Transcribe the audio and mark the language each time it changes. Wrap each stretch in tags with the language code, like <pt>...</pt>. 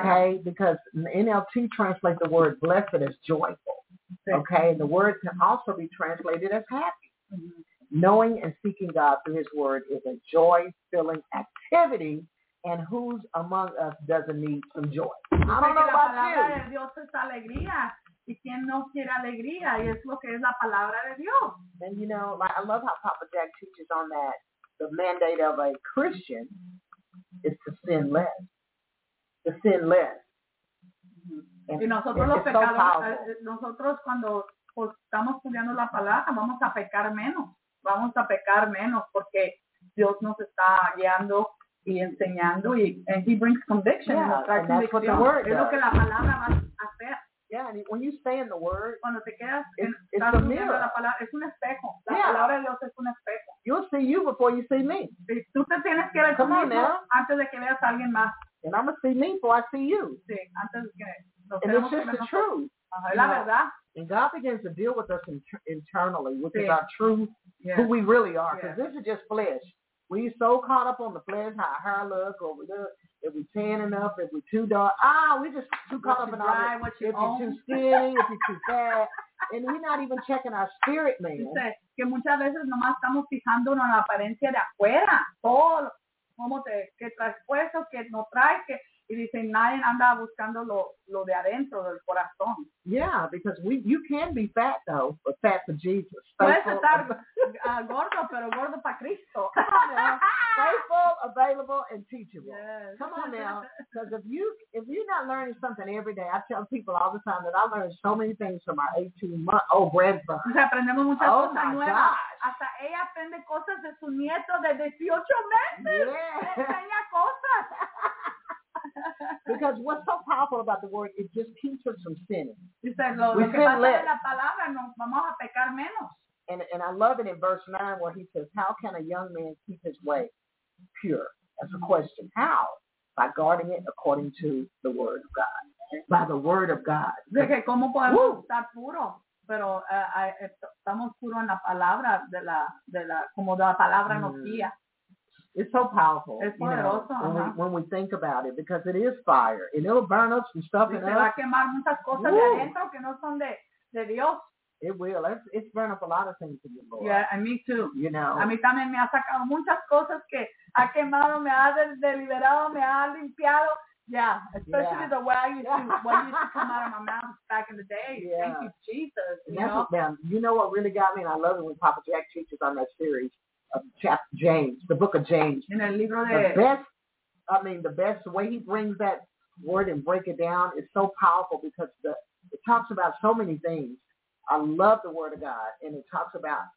<en>Okay, because NLT translates the word blessed as joyful.</en> <es>Sí.</es> <en>Okay, and the word can also be translated as happy. Mm-hmm. Knowing and seeking God through his word is a joy-filling activity, and who's among us doesn't need some joy? I don't know about you.</en> <es>La palabra de Dios es alegría, y quien no quiere alegría, y es lo que es la palabra de Dios.</es> <en>And you know, like, I love how Papa Jack teaches on that. The mandate of a Christian is to sin less. To sin less. And,</en> <es>y nosotros los pecadores,</es> <en>so</en> <es>nosotros cuando pues, estamos estudiando la palabra, vamos a pecar menos. Vamos a pecar menos porque Dios nos está guiando y enseñando y</es> <en>and he brings conviction. Yeah, and that's what the word</en> <es>es lo que la palabra va a hacer.</es> <en>Yeah, and when you stay in the word,</en> <es>cuando te quedas</es> <en>it's</en> <es>estás</es> <en>a mirror.</en> <es>La palabra, es un espejo. La</es> <en>yeah.</en> <es>palabra de Dios es un espejo.</es> <en>You'll see you before you see me.</en> <es>Tú te tienes que ver</es> <en>Come</en> <es>tú mismo antes de que veas a alguien más.</es> <en>And I'm going to see me before I see you.</en> <es>Sí, antes de que</es> <en>And it's just the truth.</en> <es>La verdad.</es> <en>And God begins to deal with us internally, which</en> <es>sí.</es> <en>is our truth, yes. who we really are. Because yes. this is just flesh. We're so caught up on the flesh, how our hair look, or we look, if we tan enough, if we too dark. Ah, we're just too caught what up in dry, our life. What you if you're too skinny, if you're too fat. And we're not even checking our spirit, man.</en> <es>Dice que muchas veces nomás estamos fijándonos en la apariencia de afuera. Todo. ¿Cómo te, que traes puesto, que no traes, que... Y dicen, nadie anda buscando lo de adentro del corazón.</es> <en>Yeah, because you can be fat, though, but fat for Jesus.</en> <es>Puedes estar gordo, pero gordo para Cristo.</es> <en>Come on now. Faithful, available, and teachable. Yes. Come on now. Because if you're not learning something every day, I tell people all the time that I learned so many things from my 18-month-old grandpa.</en> <es>O sea, aprendemos muchas</es> <en>oh,</en> <es>cosas</es> <en>my</en> <es>nuevas.</es> <en>Gosh.</en> <es>Hasta ella aprende cosas de su nieto de 18 meses.</es> <en>Yeah.</en> <es>Enseña cosas.</es> <en>Because what's so powerful about the word, it just keeps us from sinning. We sin less. And I love it in verse 9 where he says, how can a young man keep his way pure? That's a question. How? By guarding it according to the word of God. By the word of God.</en> <es>De que cómo podemos estar puro. Pero estamos puros en la palabra de la como la palabra nos guía.</es> <en>It's so powerful.</en> <es>Es poderoso,</es> <en>you know, when we think about it, because it is fire, and it'll burn up some stuff in us.</en> <es>Se va a quemar muchas cosas de adentro que no son de Dios.</es> <en>It will. It's burned up a lot of things in you, Lord. Yeah, and me too. You know.</en> <es>A mí también me ha sacado muchas cosas que ha quemado, me ha deliberado, me ha limpiado.</es> <en>Yeah, especially yeah. the way what used to come out of my mouth back in the day. Yeah. Thank you, Jesus. You know? What, man, you know what really got me, and I love it when Papa Jack teaches on that series. Of chapter James, the book of James.</en> <es>En el libro de...</es> <en>The best way he brings that word and break it down is so powerful because it talks about so many things. I love the word of God, and it talks about</en>